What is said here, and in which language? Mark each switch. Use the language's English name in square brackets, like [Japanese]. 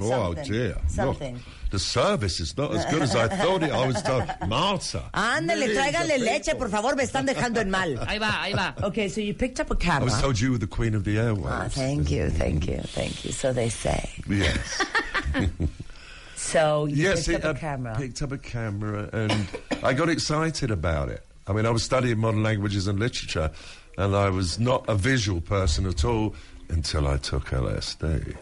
[English] Look, the service is not as good as I thought it. I was told, Marta. [Spanish] Ándale, tráigale leche, por favor, me están dejando en mal. Ahí va. [English] Okay, so you picked up a camera. I was told you were the queen of the airwaves. Thank you. So they say. Yes. So you picked up a camera. I picked up a camera and I got excited about it. I mean, I was studying modern languages and literature. And I was not a visual person at all until I took LSD.